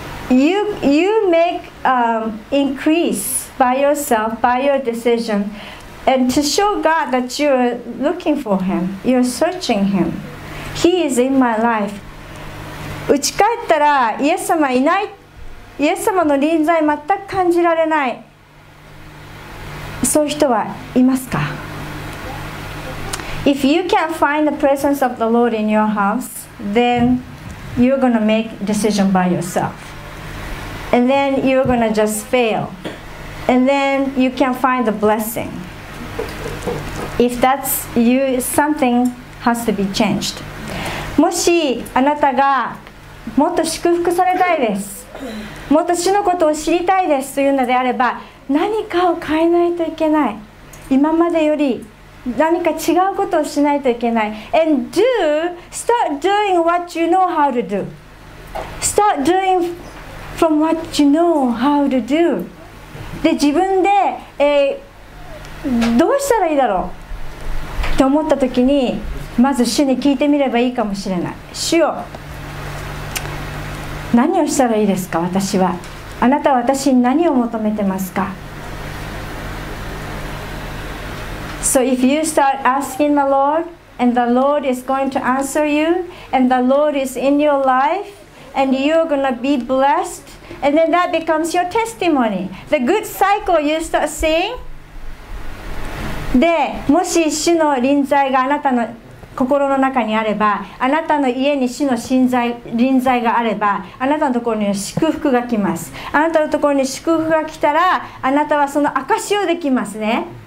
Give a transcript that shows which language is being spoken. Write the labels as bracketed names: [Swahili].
[English] You make increase by yourself, by your decisionAnd to show God that you're looking for Him, you're searching Him. He is in my life. [Japanese] 打ち返ったらイエス様いない。イエス様の臨在全く感じられない。そういう人はいますか？ [English] If you can't find the presence of the Lord in your house, then you're going to make a decision by yourself. And then you're going to just fail. And then you can't find the blessing. If that's you, something has to be changed. [Japanese] もしあなたがもっと祝福されたいです、もっと主のことを知りたいですというのであれば、何かを変えないといけない。今までより何か違うことをしないといけない。 [English] And do, start doing what you know how to do. Start doing from what you know how to do. [Japanese] で自分で、どうしたらいいだろうと思った時に、まず主に聞いてみればいいかもしれない。主よ、何をしたらいいですか？私は、あなたは私に何を求めてますか？ [English] So if you start asking the Lord and the Lord is going to answer you and the Lord is in your life and you're going to be blessed and then that becomes your testimony, the good cycle you start seeing. [Japanese] でもし主の臨在があなたの心の中にあれば、あなたの家に主の臨在があれば、あなたのところには祝福が来ます。あなたのところに祝福が来たら、あなたはその証をできますね。